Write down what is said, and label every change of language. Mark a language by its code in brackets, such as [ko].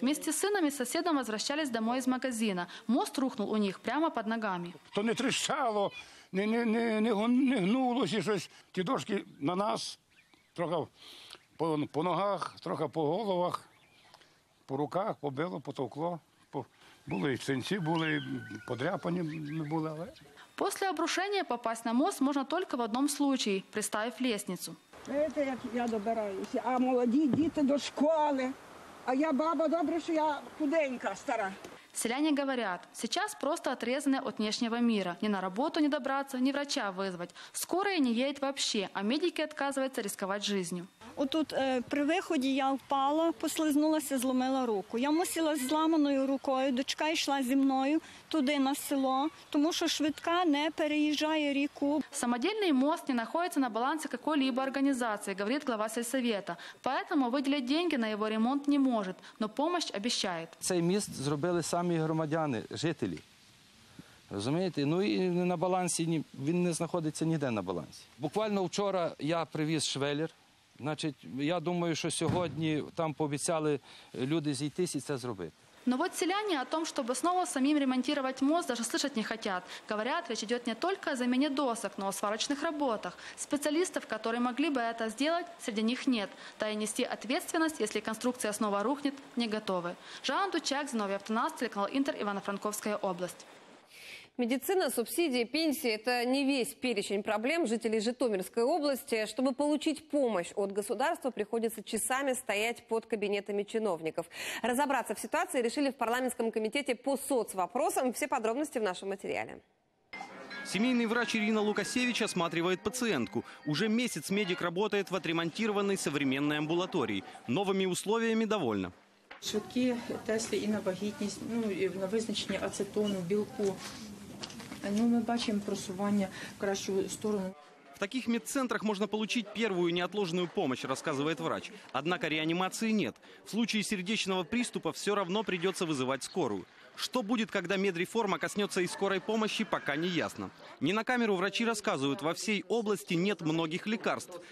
[ru] Вместе с сыном и соседом возвращались домой из магазина. Мост рухнул у них прямо под ногами. То не трещало, не гнулось, эти [uk] дошки на нас, трохи по ногах, трохи по головах, по руках, побило, потолкло. Були і синці, були і подряпані були, але... [ru] После обрушения попасть на мост можно только в одном случае, приставив лестницу. Это как я добираюсь, а молодые дети до школы, а я баба, [uk] добре, [ru] что я [uk] худенька, стара. [ru] Селяне говорят, сейчас просто отрезаны от внешнего мира. Ни на работу не добраться, ни врача вызвать. Скорая не едет вообще, а медики отказываются рисковать жизнью. Вот тут при выходе я упала, послизнулась, сломила руку. [uk] Я мусила [ru] с сломанной рукой, дочка шла [uk] зі мною туди [ru] на село, потому что [uk] швидка [ru] не переезжает реку. Самодельный мост не находится на балансе какой-либо организации, говорит глава сельсовета. Поэтому выделять деньги на его ремонт не может, но помощь обещает. [uk] Цей [ru] мост сделали сами граждане, жители. [uk] Розумієте? Ну і на балансі він не знаходиться ніде на балансі. Буквально вчора я привіз швелір. Значить, я думаю, що сьогодні там пообіцяли люди зійтись і це зробити. [ru] Но вот селяне о том, чтобы снова самим ремонтировать мост, даже слышать не хотят. Говорят, речь идет не только о замене досок, но и о сварочных работах. Специалистов, которые могли бы это сделать, среди них нет. Да и нести ответственность, если конструкция снова рухнет, не готовы. Жанна Дучак, Зиновий Автонас, телеканал Интер, Ивано-Франковская область. Медицина, субсидии, пенсии – это не весь перечень проблем жителей Житомирской области. Чтобы получить помощь от государства, приходится часами стоять под кабинетами чиновников. Разобраться в ситуации решили в парламентском комитете по соцвопросам. Все подробности в нашем материале. Семейный врач Ирина Лукасевич осматривает пациентку. Уже месяц медик работает в отремонтированной современной амбулатории. Новыми условиями довольна. [uk] Швидкі тести і на вагітність, ну, і на визначення ацетону, білку. [ru] Ну, мы видим [uk] просування в кращую [ru] сторону. В таких медцентрах можно получить первую неотложную помощь, рассказывает врач. Однако реанимации нет. В случае сердечного приступа все равно придется вызывать скорую. Что будет, когда медреформа коснется и скорой помощи, пока не ясно. Не на камеру врачи рассказывают, во всей области нет многих лекарств.